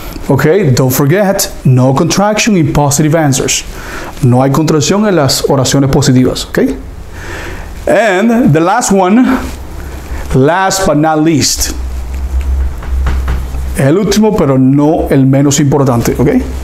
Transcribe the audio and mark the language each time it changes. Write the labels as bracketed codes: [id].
[en] Okay, don't forget, no contraction in positive answers. [es] No hay contracción en las oraciones positivas, okay? [en] And the last one, last but not least. [es] El último, pero no el menos importante, okay?